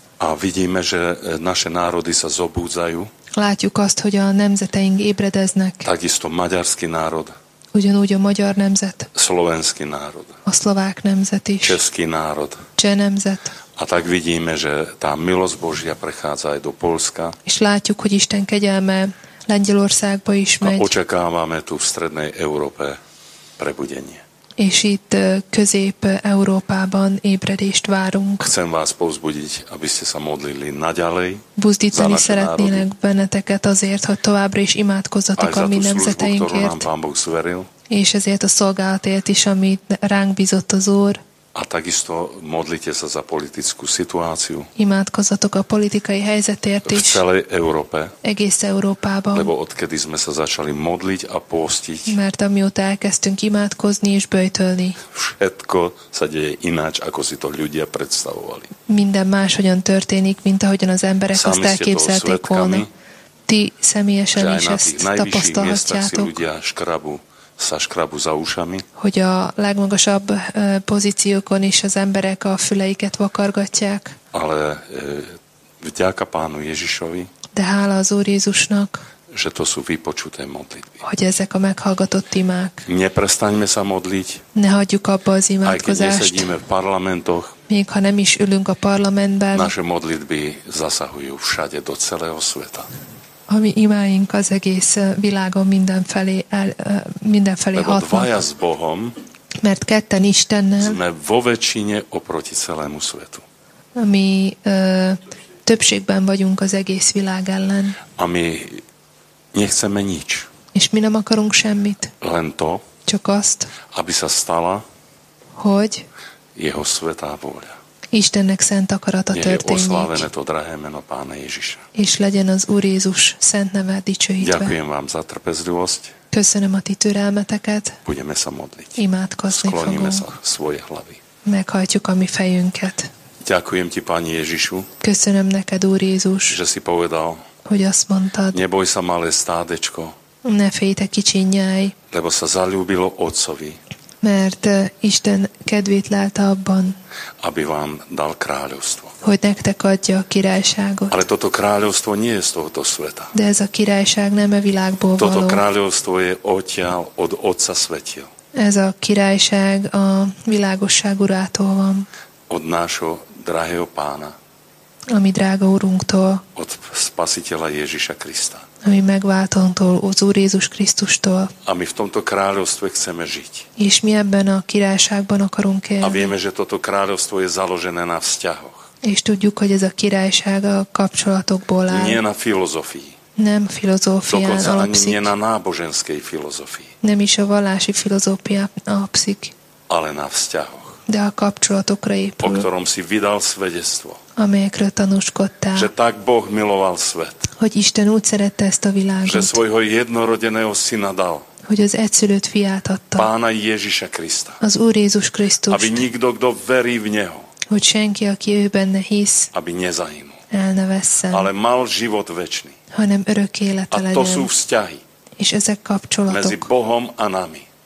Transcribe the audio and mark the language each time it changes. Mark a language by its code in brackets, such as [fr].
[sk] A vidíme, že naše národy sa zobúdzajú. [hu] Látjuk azt, hogy a nemzeteink ébredeznek. [sk] Takisto maďarský národ. [hu] Ugyanúgy a magyar nemzet. [sk] Slovenský národ. [hu] A szlovák nemzet is. [sk] Český národ. [hu] Cseh nemzet. [sk] A tak vidíme, že tá milosť Božia prechádza aj do Polska. [hu] És látjuk, hogy Isten kegyelme Lengyelországba is megy. [sk] A očakávame tu v strednej Európe prebudenie. [hu] És itt Közép-Európában ébredést várunk. [sk] Chcem vás povzbudiť, aby ste sa modlili naďalej. [hu] Buzdítani szeretnének benneteket azért, hogy továbbra is imádkozzatok a mi nemzeteinkért. [sk] Aj za tú službu, ktorú nám Pán Boh zveril. [hu] És ezért a szolgálatért is, amit ránk bízott az Úr. [sk] A takisto modlite sa za politickú situáciu. [hu] Imádkozzatok a politikai helyzetért is. [sk] V celej Európe. [hu] Egész Európában. [sk] Lebo odkedy sme sa začali modliť a postiť. [hu] Mert amióta elkezdtünk imádkozni és böjtölni. [sk] Všetko sa deje ináč, ako si to ľudia predstavovali. [hu] Minden máshogyan történik, mint ahogyan az emberek azt elképzelték volna. Ti személyesen is ezt tapasztalhatjátok. [sk] Ľudia sa škrabu za ušami. [hu] Hogy a legmagasabb pozíciókon is az emberek a füleiket vakargatják. [sk] Ale vďaka Pánu Ježišovi. [hu] De hála az Úr Jézusnak. [sk] Že to sú vypočuté modlitby. [hu] Hogy ezek a meghallgatott imák. [sk] Neprestaňme sa modliť. [hu] Ne hagyjuk abba az imádkozást. [sk] Aj keď nesedíme v parlamentoch. [hu] Még ha nem is ülünk a parlamentben. [sk] Naše modlitby zasahujú všade do celého sveta. [hu] A mi imáink az egész világon mindenfelé hatnak. [sk] Lebo dvaja s Bohom, [hu] mert ketten Istennel [sk] sme vo väčšine oproti celému svetu. [hu] A mi többségben vagyunk az egész világ ellen. [sk] A mi nechceme nič. [hu] És mi nem akarunk semmit. [sk] Len to, [hu] csak azt, [sk] aby sa stala, [hu] hogy [sk] jeho svetá vôľa. [hu] Istennek szent akarata történik. [sk] Nech je oslávené to drahé meno Pána Ježiša. [hu] És legyen az Úr Jézus szent neve dicsőítve. [sk] Ďakujem vám za trpezlivosť. [hu] Köszönöm a ti türelmeteket. [sk] Budeme sa modliť. [hu] Imádkozni fogunk. [sk] Skloníme sa svoje hlavy. [hu] Meghajtjuk a mi fejünket. [sk] Ďakujem ti, Páni Ježišu. [hu] Köszönöm neked, Úr Jézus. [sk] Že si povedal. [hu] Hogy azt mondtad. [sk] Neboj sa, malé stádečko. [hu] Ne félj, te kicsi nyáj. [sk] Lebo sa zalúbilo Otcovi. [hu] Mert Isten kedvét látta abban, [sk] aby vám dal kráľovstvo. [hu] Hogy nektek adja a királyságot. [sk] Ale toto kráľovstvo nie je z tohoto sveta. [hu] De ez a királyság nem a világból [sk] toto [hu] való. [sk] Toto kráľovstvo je odtiaľ, od Otca svetiel. [hu] Ez a királyság a világosság urától van. [sk] Od nášho drahého Pána. [hu] A mi drága Úrunktól. [sk] Od spasiteľa Ježiša Krista. [hu] A mi megváltóntól, az Úr Jézus Krisztustól. [sk] A mi v tomto kráľovstve chceme žiť. [hu] És mi ebben a királyságban akarunk élni. [sk] A vieme, že toto kráľovstvo je založené na vzťahoch. [hu] És tudjuk, hogy ez a királyság a kapcsolatokból áll. [sk] Nie na filozofii. [hu] Nem filozófián [sk] dokonca [hu] alapszik. [sk] Dokonca ani nie na náboženskej filozofii. [hu] Nem is a vallási filozófia alapszik. [sk] Ale na vzťahoch. [hu] De a kapcsolatokra épül. [sk] O ktorom si vydal svedectvo. [hu] Amelyekről tanúskodtál. [sk] Že tak Boh miloval svet. [hu] Hogy Isten úgy szerette ezt a világot. [sk] Že svojho jednorodeného syna dal. [hu] Hogy az egyszülött fiát adta. [sk] Pána Ježiša Krista. [hu] Az Úr Jézus Krisztust. [sk] Aby nikto, kto verí v Neho. [hu] Hogy senki, aki ő benne hisz. [sk] Aby nezahynul. [hu] El ne vesszen. [sk] Ale mal život večný. [hu] Hanem örök élete legyen. [sk] A to sú vzťahy. [hu] És ezek kapcsolatok. [sk] Mezi Bohom a nami.